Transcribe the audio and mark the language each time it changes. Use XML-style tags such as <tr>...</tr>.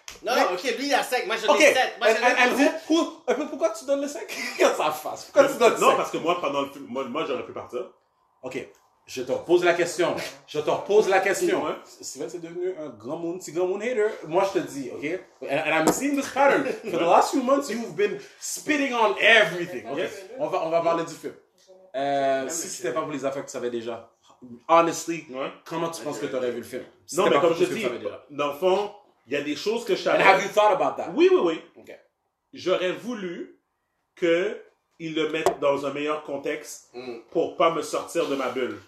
<fr>Non, mais... ok, lui il a 5, moi j'en ai 7. Moi j'en ai 10. Pourquoi tu donnes le 5? Regarde sa face. Pourquoi tu donnes le 5? Non, parce que moi, pendant le film, moi j'aurais pu partir. Ok, je te repose la question. Je te repose la question. Steven, c'est devenu un grand monde, c'est grand monde hater. Moi je te dis, ok?</fr> <en>And I'm seeing this pattern. For the last few months, you've been spitting on everything.</en> <fr>Ok, on va parler du film. Si c'était pas pour les affaires que tu savais déjà. Honestly, ouais. Comment tu penses que tu aurais vu le film? Si non, mais comme je te dis, dans le fond, il y a des choses que je savais.</fr> <en>And have you thought about that?</en> <fr>Oui, oui, oui.</fr> <en>Okay.</en> <fr>J'aurais voulu qu'ils le mettent dans un meilleur contexte pour ne pas me sortir de ma bulle.</fr>